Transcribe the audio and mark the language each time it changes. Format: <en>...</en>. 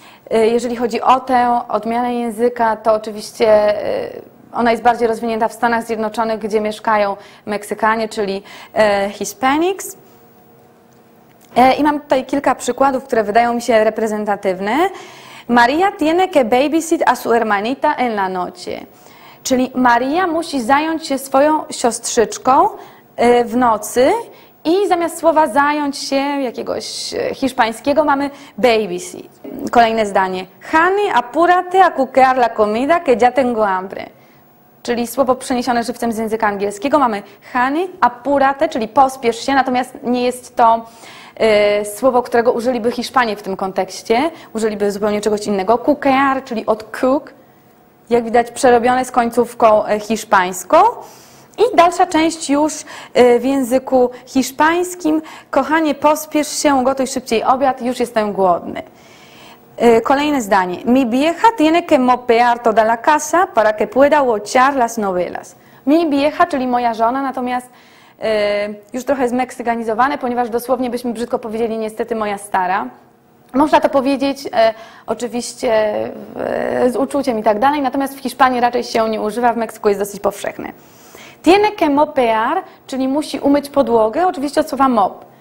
<pl>Jeżeli chodzi o tę odmianę języka, to oczywiście ona jest bardziej rozwinięta w Stanach Zjednoczonych, gdzie mieszkają Meksykanie, czyli Hispanics. I mam tutaj kilka przykładów, które wydają mi się reprezentatywne.</pl> <es>Maria tiene que babysit a su hermanita en la noche.</es> <pl>Czyli Maria musi zająć się swoją siostrzyczką w nocy i zamiast słowa zająć się jakiegoś hiszpańskiego mamy babysit. Kolejne zdanie.</pl> <es>Honey, apúrate a cuquear la comida que ya tengo hambre.</es> <pl>Czyli słowo przeniesione żywcem z języka angielskiego mamy honey, apúrate, czyli pospiesz się, natomiast nie jest to słowo, którego użyliby Hiszpanie w tym kontekście, użyliby zupełnie czegoś innego. Cuquear, czyli od cook, jak widać przerobione z końcówką hiszpańską. I dalsza część już w języku hiszpańskim. Kochanie, pospiesz się, gotuj szybciej obiad, już jestem głodny. Kolejne zdanie.</pl> <es>Mi vieja tiene que mopear toda la casa para que pueda watchar las novelas. Mi vieja,</es> <pl>czyli moja żona, natomiast już trochę zmeksyganizowane, ponieważ dosłownie byśmy brzydko powiedzieli niestety moja stara. Można to powiedzieć oczywiście z uczuciem i tak dalej, natomiast w Hiszpanii raczej się nie używa, w Meksyku jest dosyć powszechny.</pl> <es>Tiene que mopear,</es> <pl>czyli musi umyć podłogę, oczywiście od słowa mop.</pl>